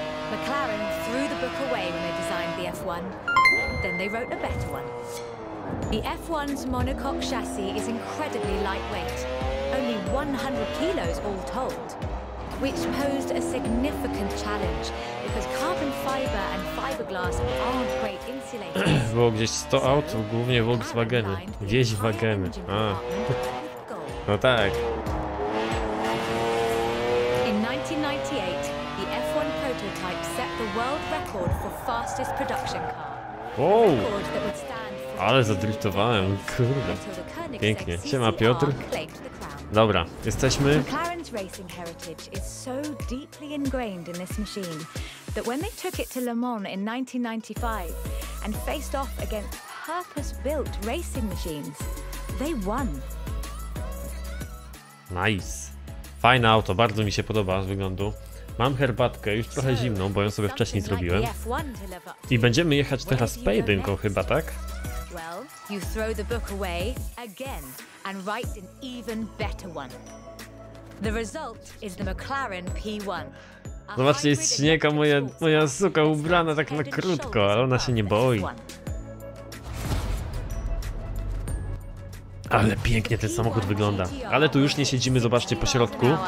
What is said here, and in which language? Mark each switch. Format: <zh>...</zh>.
<en>McLaren threw the book away when they designed the F1. Then they wrote a better one. The F1's monocoque chassis is incredibly lightweight, only 100 kilos all told, which posed a significant challenge because carbon fiber and fiberglass aren't great insulators.</en> <pl>Było gdzieś 100 aut, głównie Volkswageny. Wieś wageny. A. No tak.</pl> <en>In 1998, the F1 prototype set the world record for fastest production car. Wow.</en> <pl>Ale zadriftowałem, kurde. Pięknie. Siema Piotr. Dobra, jesteśmy.</pl> <en>McLaren's racing heritage is so deeply ingrained in this machine that when they took it to Le Mans in 1995 and faced off against purpose-built racing machines, they won. Nice.</en> <pl>Fajne auto, bardzo mi się podoba z wyglądu. Mam herbatkę, już trochę zimną, bo ją sobie wcześniej zrobiłem. I będziemy jechać teraz pejdynką chyba, tak?</pl> <en>Well, you throw the book away again and write an even better one. The result is the McLaren P1.</en> <pl>Zobaczcie, jest śnieg, a moja suka ubrana tak na krótko, ale ona się nie boi. Ale pięknie ten samochód wygląda. Ale tu już nie siedzimy, zobaczcie, po środku.</pl>